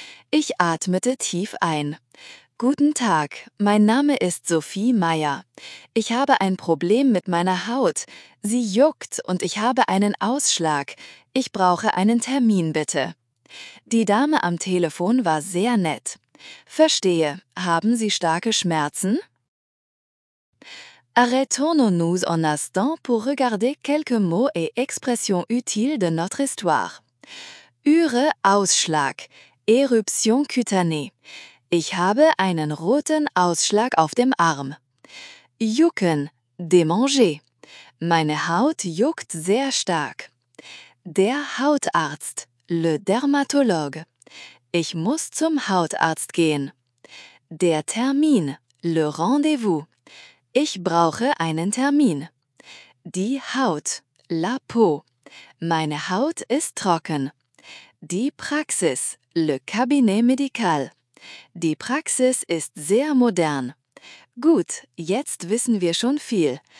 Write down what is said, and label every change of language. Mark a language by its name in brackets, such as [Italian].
[German] Ich atmete tief ein. »Guten Tag, mein Name ist Sophie Meyer. Ich habe ein Problem mit meiner Haut. Sie juckt und ich habe einen Ausschlag. Ich brauche einen Termin, bitte.« Die Dame am Telefon war sehr nett. » Verstehe, haben Sie starke Schmerzen?« [French] Arrêtons-nous un instant pour regarder quelques mots et expressions utiles de notre histoire. [German] Ihre Ausschlag, Eruption cutanée. Ich habe einen roten Ausschlag auf dem Arm. Jucken, démangé. Meine Haut juckt sehr stark. Der Hautarzt, le dermatologue. Ich muss zum Hautarzt gehen. Der Termin, le rendez-vous. Ich brauche einen Termin. Die Haut, la peau. Meine Haut ist trocken. Die Praxis, le cabinet médical. Die Praxis ist sehr modern. Gut, jetzt wissen wir schon viel.